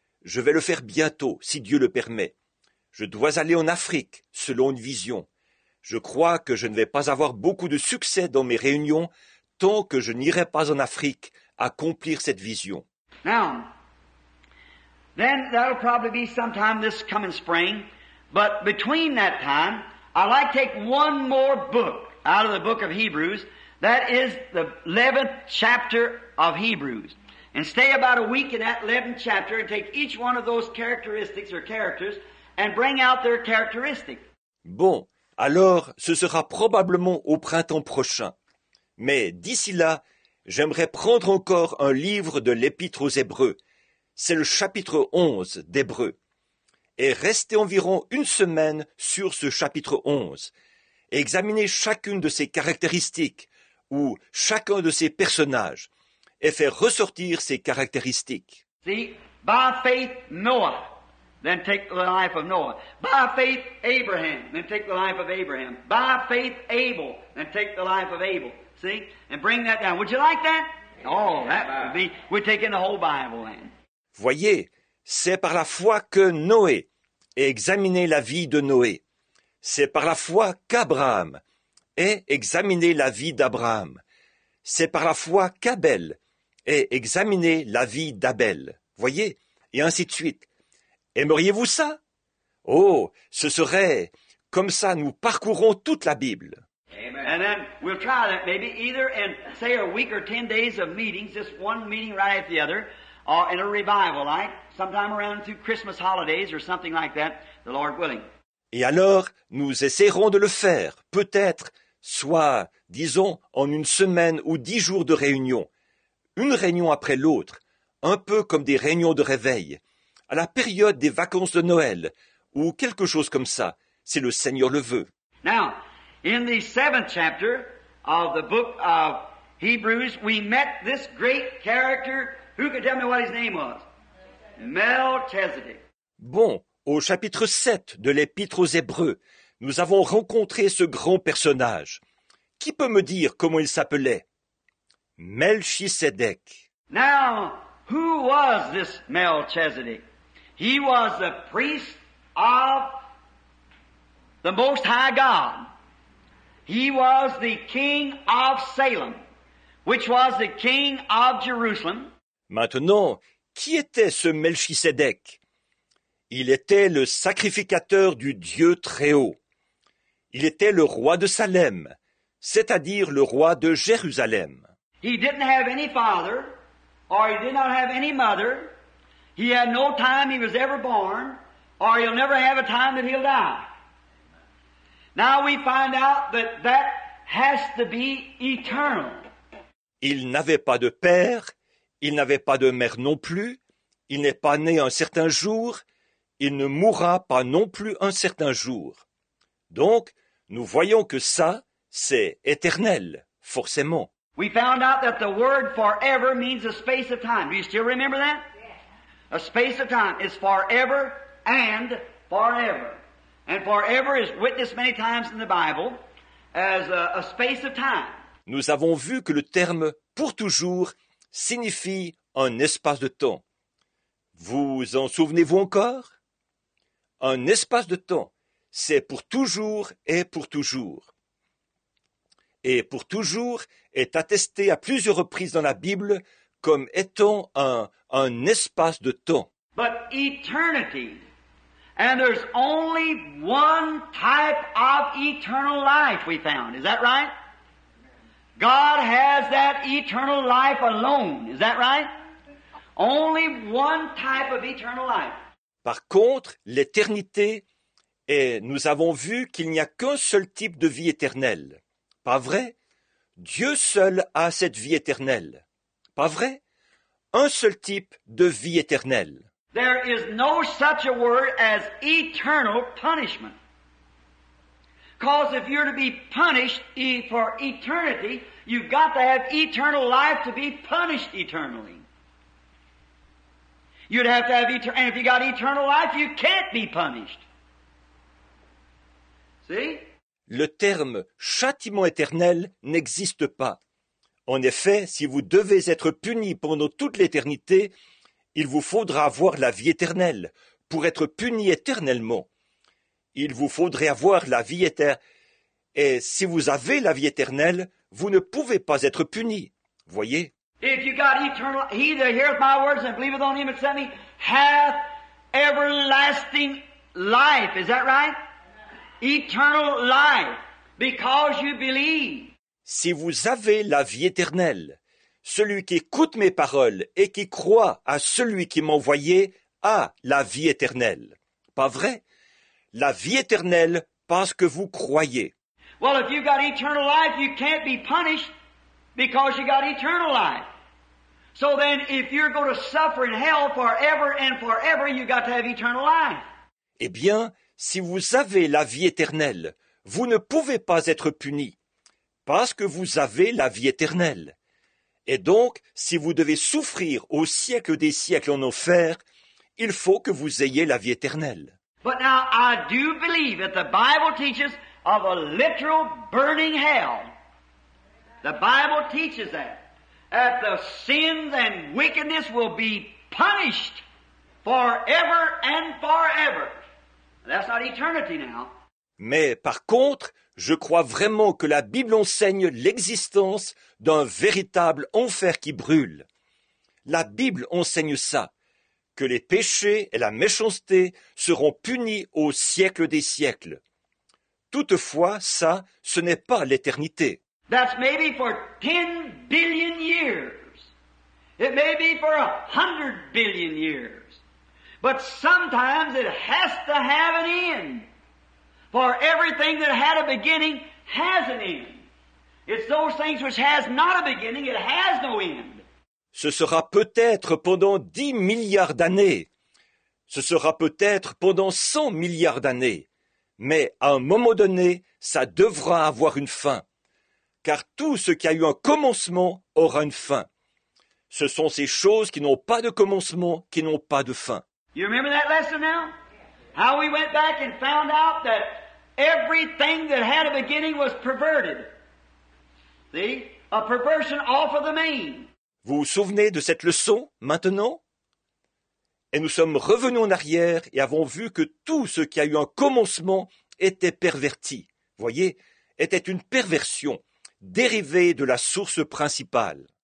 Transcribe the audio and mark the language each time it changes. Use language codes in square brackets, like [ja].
[fr] Je vais le faire bientôt, si Dieu le permet. Je dois aller en Afrique, selon une vision. Je crois que je ne vais pas avoir beaucoup de succès dans mes réunions tant que je n'irai pas en Afrique accomplir cette vision. [en] Now, then that'll probably be sometime this coming spring. But between that time, I'd like to take one more book out of the book of Hebrews That is the 11th chapter of Hebrews. And stay about a week in that 11th chapter and take each one of those characteristics or characters and bring out their characteristic. [fr] Bon, alors ce sera probablement au printemps prochain. Mais d'ici là, j'aimerais prendre encore un livre de l'Épître aux Hébreux. C'est le chapitre 11 d'Hébreux. Et rester environ une semaine sur ce chapitre 11. Et examiner chacune de ses caractéristiques ou chacun de ses personnages. Et faire ressortir ses caractéristiques. [en] See, by faith, Noah. Then take the life of Noah. By faith, Abraham. Then take the life of Abraham. By faith, Abel. Then take the life of Abel. See? And bring that down. Would you like that? Oh, that would be... We're taking the whole Bible then. [fr] Voyez, c'est par la foi que Noé et examiner la vie de Noé. C'est par la foi qu'Abraham et examiner la vie d'Abraham. C'est par la foi qu'Abel et examiner la vie d'Abel. Voyez, et ainsi de suite. Aimeriez-vous ça? Oh, ce serait comme ça, nous parcourons toute la Bible. [en] And then we'll try that maybe either in say a week or 10 days of meetings, just one meeting right after the other, or in a revival, like sometime around through Christmas holidays or something like that, the Lord willing. [fr] Et alors, nous essaierons de le faire, peut-être, soit, disons, en une semaine ou 10 jours de réunion, une réunion après l'autre, un peu comme des réunions de réveil, à la période des vacances de Noël, ou quelque chose comme ça, si le Seigneur le veut. [en] Now, in the 7th chapter of the book of Hebrews, we met this great character. Who can tell me what his name was? Melchizedek. [fr] Bon, au chapitre 7 de l'Épître aux Hébreux, nous avons rencontré ce grand personnage. Qui peut me dire comment il s'appelait? Melchizedek. [en] Now, who was this Melchizedek? He was the priest of the Most High God. He was the king of Salem, which was the king of Jerusalem. [fr] Maintenant, qui était ce Melchizedek? Il était le sacrificateur du Dieu Très-Haut. Il était le roi de Salem, c'est-à-dire le roi de Jérusalem. [en] He didn't have any father, or he did not have any mother. He had no time he was ever born, or he'll never have a time that he'll die. Now we find out that that has to be eternal. [fr] Il n'avait pas de père, il n'avait pas de mère non plus, il n'est pas né un certain jour, il ne mourra pas non plus un certain jour. Donc, nous voyons que ça, c'est éternel, forcément. [en] We found out that the word forever means a space of time. Do you still remember that? A space of time is forever and forever. And forever is witnessed many times in the Bible as a space of time. [fr] Nous avons vu que le terme pour toujours signifie un espace de temps. Vous en souvenez-vous encore? Un espace de temps, c'est pour toujours et pour toujours. Et pour toujours est attesté à plusieurs reprises dans la Bible comme étant un espace de temps. [en] But eternity, and there's only one type of eternal life we found. Is that right? God has that eternal life alone. Is that right? Only one type of eternal life. [fr] Par contre, l'éternité, et nous avons vu qu'il n'y a qu'un seul type de vie éternelle. Pas vrai? Dieu seul a cette vie éternelle. Pas vrai? Un seul type de vie éternelle. [en] There is no such a word as eternal punishment. Because if you're to be punished for eternity, you've got to have eternal life to be punished eternally. You'd have to have eternal, and if you got eternal life, you can't be punished. See? [fr] Le terme châtiment éternel n'existe pas. En effet, si vous devez être puni pendant toute l'éternité, il vous faudra avoir la vie éternelle pour être puni éternellement. Il vous faudrait avoir la vie éternelle. Et si vous avez la vie éternelle, vous ne pouvez pas être puni. Voyez. [en] If you got eternal, he that heareth my words and believeth on him that sent me hath everlasting life. Is that right? Eternal life, because you believe. [fr] Si vous avez la vie éternelle, celui qui écoute mes paroles et qui croit à celui qui m'a envoyé a la vie éternelle. Pas vrai? La vie éternelle parce que vous croyez. [en] Well, if you've got eternal life, you can't be punished because you got eternal life. So then, if you're going to suffer in hell forever and forever, you got to have eternal life. [fr] Eh bien, si vous avez la vie éternelle, vous ne pouvez pas être puni parce que vous avez la vie éternelle. Et donc, si vous devez souffrir au siècle des siècles en enfer, il faut que vous ayez la vie éternelle. [en] But now, I do believe that the Bible teaches of a literal burning hell. The Bible teaches that the sins and wickedness will be punished forever and forever. That's not eternity now. [fr] Mais par contre, je crois vraiment que la Bible enseigne l'existence d'un véritable enfer qui brûle. La Bible enseigne ça, que les péchés et la méchanceté seront punis au siècle des siècles. Toutefois, ça, ce n'est pas l'éternité. [en] That's maybe for 10 billion years. It may be for 100 billion years. But sometimes it has to have an end. For everything that had a beginning has an end. It's those things which has not a beginning, it has no end. [fr] Ce sera peut-être pendant 10 milliards d'années. Ce sera peut-être pendant 100 milliards d'années. Mais à un moment donné, ça devra avoir une fin. Car tout ce qui a eu un commencement aura une fin. Ce sont ces choses qui n'ont pas de commencement, qui n'ont pas de fin. [en] You remember that lesson now? How we went back and found out that everything that had a beginning was perverted. See? A perversion off of the mean. [fr] Vous vous souvenez de cette leçon, maintenant? Et nous sommes revenus en arrière et avons vu que tout ce qui a eu un commencement était perverti. Voyez? Était une perversion dérivée de la source principale.